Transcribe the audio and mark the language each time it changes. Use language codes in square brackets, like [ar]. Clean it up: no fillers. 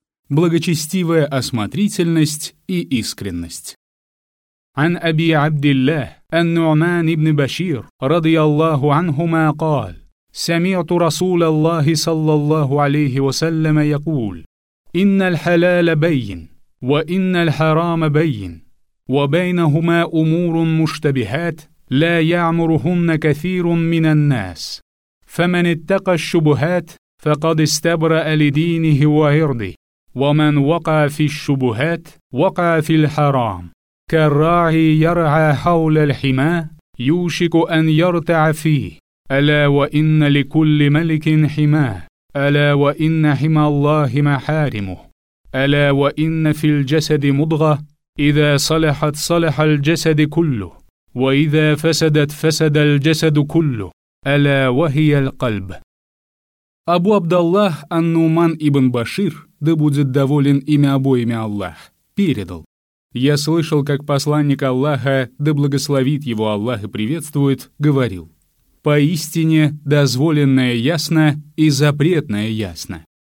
[ru] Благочестивая осмотрительность и искренность. [ar] عن أبي عبد الله النعمان بن بشير رضي الله عنهما قال سمعت رسول الله صلى الله عليه وسلم يقول إن الحلال بين وإن الحرام بين وبينهما أمور مشتبهات لا يعمرهن كثير من الناس فمن اتقى الشبهات فقد استبرأ لدينه وعرضه ومن وقع في الشبهات وقع في الحرام كالراعي يرعى حول الحما يوشك أن يرتع فيه ألا وإن لكل ملك حماه ألا وإن حما الله محارمه ألا وإن في الجسد مضغة إذا صلحت صلح الجسد كله وإذا فسدت فسد الجسد كله ألا وهي القلب. [ru] أبو عبد الله النعمان ابن بشير да будет доволен ими обоими Аллах, передал. Я слышал, как посланник Аллаха, да благословит его Аллах и приветствует, говорил. Поистине, дозволенное ясно и запретное ясно.